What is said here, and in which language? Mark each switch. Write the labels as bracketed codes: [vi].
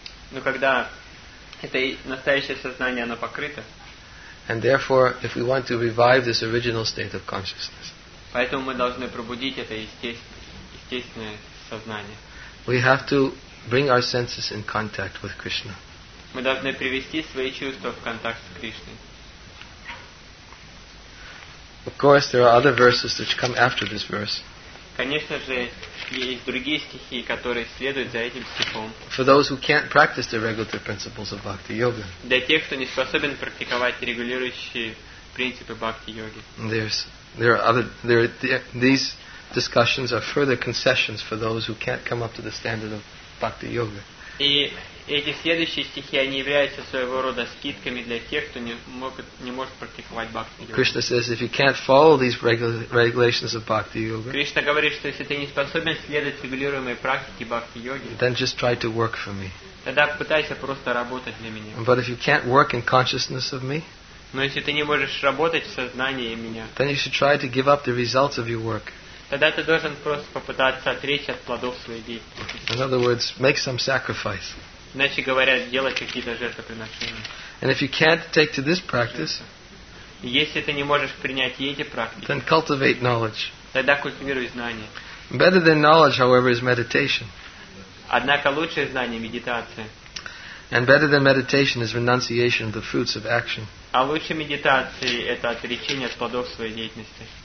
[ru] Но когда это настоящее сознание оно покрыто. [en] And therefore, if we want to revive this original state of consciousness. [ru] Поэтому мы должны пробудить это естественное сознание. [en] We have to bring our senses in contact with Krishna. [ru] Мы должны привести свои чувства в контакт с Кришной. [en] Of course, there are other verses which come after this verse. [ru] Конечно же, есть другие стихи, которые следуют за этим стихом. [en] For those who can't practice the regulative principles of bhakti yoga. [ru] Для тех, кто не способен практиковать регулирующие принципы бхакти йоги. [en] These discussions are further concessions for those who can't come up to the standard of bhakti yoga. [ru] И эти следующие стихи, они являются своего рода скидками для тех, кто не может практиковать бхакти-йогу. [en] Krishna says, if you can't follow these regulations of bhakti-йога, [ru] Кришна говорит, что если ты не способен следовать регулируемой практике бхакти-йоги, [en] then just try to work for me. [ru] Тогда пытайся просто работать для меня. [en] But if you can't work in consciousness of me, [ru] но если ты не можешь работать в сознании меня, [en] then you should try to give up the results of your work. [ru] Тогда ты должен просто попытаться отречь от плодов своей деятельности. [en] In other words, make some sacrifice. [ru] Иначе говоря, делать какие-то жертвоприношения. [en] And if you can't take to this practice, [ru] если ты не можешь принять и эти практики, [en] then cultivate knowledge. [ru] Тогда культивируй знания. [en] Better than knowledge, however, is meditation. [ru] Однако лучшее знание — медитация. [en] And better than meditation is renunciation of the fruits of action. [ru] А лучше медитации — это отречение от плодов своей деятельности.